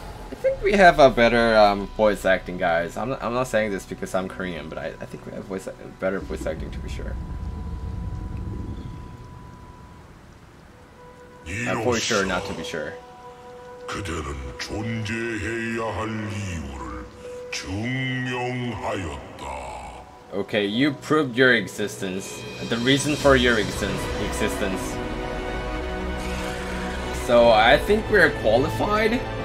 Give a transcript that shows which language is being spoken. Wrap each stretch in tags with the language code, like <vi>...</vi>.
<en>I think we have a better voice acting, guys. I'm not saying this because I'm Korean, but I think we have better voice acting to be sure. I'm for sure not to be sure.</en> <ko>그대는 존재해야 할 이유를 증명하였다.</ko> <en>Okay, you proved your existence. The reason for your existence. So I think we're qualified.</en>